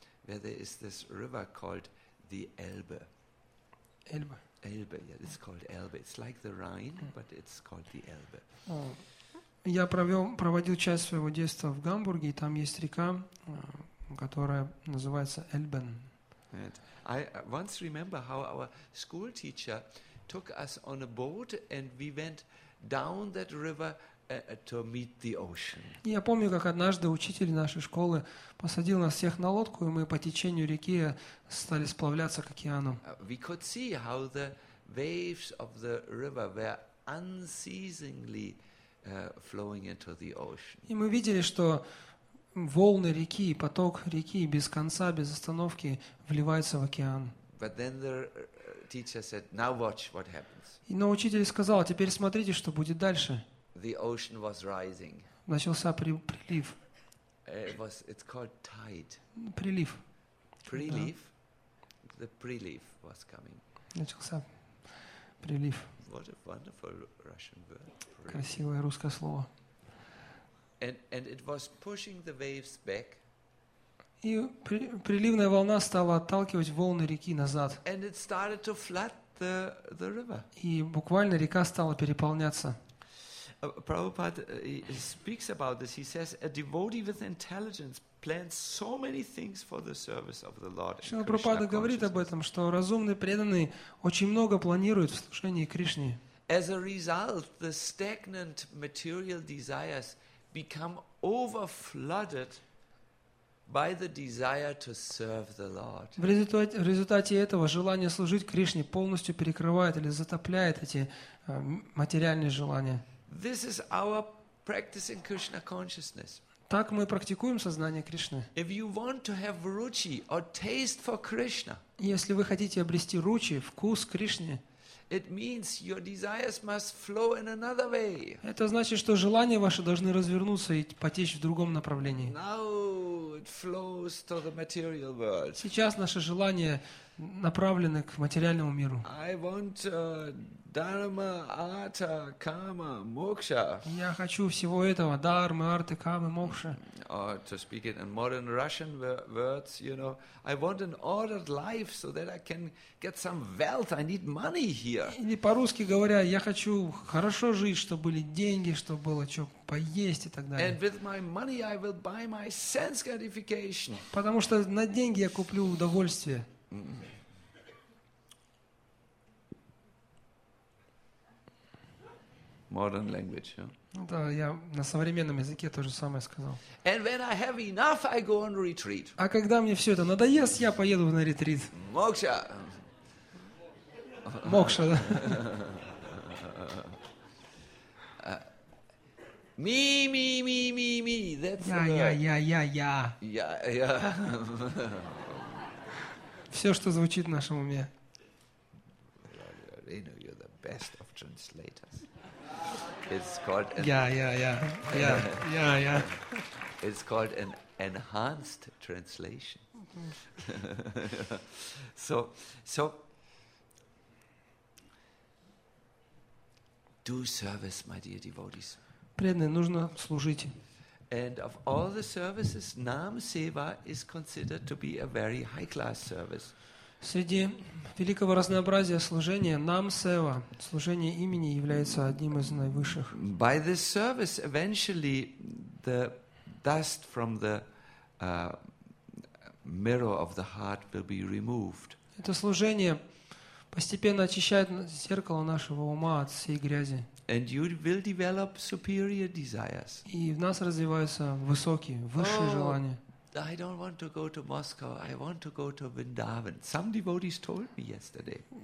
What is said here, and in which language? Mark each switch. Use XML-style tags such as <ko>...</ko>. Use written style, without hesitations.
<en>Where there is this river called the Elbe. Elbe. Elbe, yeah, it's called Elbe. It's like the Rhine, but it's called the Elbe.</en> <ru>Я проводил часть своего детства в Гамбурге, и там есть река, которая называется Эльбен.</ru> <en>I once remember how our school teacher took us on a boat and we went down that river to meet the ocean.</en> <ru>Я помню, как однажды учитель нашей школы посадил нас всех на лодку, и мы по течению реки стали сплавляться к океану.</ru> <en>We could see how the waves of the river were unceasingly flowing into the ocean.</en> <ru>И мы видели, что волны реки, поток реки без конца, без остановки вливается в океан.</ru> <en>But then the teacher said, "Now watch what happens."</en> <ru>И но учитель сказал: "Теперь смотрите, что будет дальше."</ru> <en>The ocean was rising.</en> <ru>Начался прилив.</ru> <en>It's called tide.</en> <ru>Прилив. Прилив.</ru> <en>The prelief was coming.</en> <ru>Начался прилив.</ru> <en>What a wonderful Russian word.</en> <ru>Красивое русское слово.</ru> <en>And it was pushing the waves back.</en> <ru>И приливная волна стала отталкивать волны реки назад.</ru> <en>And it started to flood the river.</en> <ru>И буквально река стала переполняться.</ru> <en>Prabhupada speaks about this. He says a devotee with intelligence plans so many things for the service of the Lord.</en> <ru>Шрила Прабхупада говорит об этом, что разумный преданный очень много планирует в служении Кришне.</ru> <en>As a result, the stagnant material desires become overflooded by the desire to serve the Lord.</en> <ru>В результате этого желание служить Кришне полностью перекрывает или затопляет эти материальные желания.</ru> <en>This is our practicing Krishna consciousness.</en> <ru>Так мы практикуем сознание Кришны.</ru> <en>If you want to have ruchi or taste for Krishna,</en> <ru>если вы хотите обрести ручи, вкус Кришны,</ru> <en>it means your desires must flow in another way.</en> <ru>Это значит, что желания ваши должны развернуться и потечь в другом направлении.</ru> <en>Now it flows to the material world.</en> <ru>Сейчас наши желания направлены к материальному миру.</ru> <en>I want dharma, artha, kama, moksha.</en> <ru>Я хочу всего этого: дхармы, арты, камы, мокша.</ru> <en>To speak it in modern Russian words, you know, I want an ordered life so that I can get some wealth. I need money here.</en> <ru>Или по-русски говоря, я хочу хорошо жить, чтобы были деньги, чтобы было что поесть и так далее.</ru> <en>And with my money I will buy my sense gratification.</en> <ru>Потому что на деньги я куплю удовольствие.</ru> <en>Mm-hmm. modern language. Yeah?</en> <ru>Да, я на современном языке то же самое сказал.</ru> <en>And when I have enough, I go on retreat.</en> <ru>А когда мне все это надоест, я поеду на ретрит. Мокша. Мокша, да.</ru> <en>Me, me, me, me, me. That's yeah, the... yeah, yeah, yeah, yeah. Yeah, yeah.</en> <ru>Все, что звучит в нашем уме.</ru> <en>You know, you're the best of translators. It's called an... Yeah. It's called an enhanced translation. So, do service, my dear devotees.</en> <ru>Преданные, нужно служить.</ru> <en>And of all the services, Nam Seva is considered to be a very high-class service.</en> <ru>Среди великого разнообразия служения Нам Сева, служение имени, является одним из наивысших.</ru> <en>By this service, eventually the dust from the mirror of the heart will be removed.</en> <ru>Это служение постепенно очищает зеркало нашего ума от всей грязи.</ru> <en>And you will develop superior desires.</en> <ru>И в нас развиваются высокие, высшие желания.</ru> <en>I don't want to go to Moscow. I want to go to Vrindavan. Some devotees told me yesterday.</en>